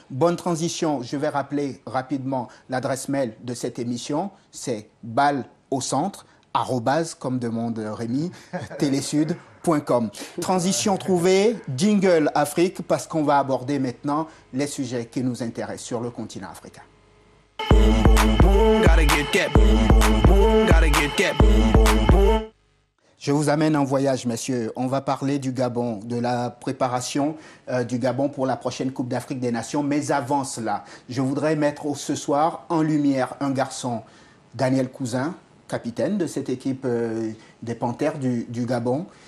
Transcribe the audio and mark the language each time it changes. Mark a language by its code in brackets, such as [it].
[fr] Bonne transition, je vais rappeler rapidement l'adresse mail de cette émission, c'est balleaucentre@, comme demande Rémi, télésud.com. Transition trouvée, jingle Afrique, parce qu'on va aborder maintenant les sujets qui nous intéressent sur le continent africain. [en] Boom, boom, boom, gotta get that. Boom, boom, boom, gotta get that. Boom, boom, boom. [fr] Je vous amène en voyage, messieurs. On va parler du Gabon, de la préparation du Gabon pour la prochaine Coupe d'Afrique des Nations. Mais avant cela, je voudrais mettre ce soir en lumière un garçon, Daniel Cousin, capitaine de cette équipe des Panthères du Gabon.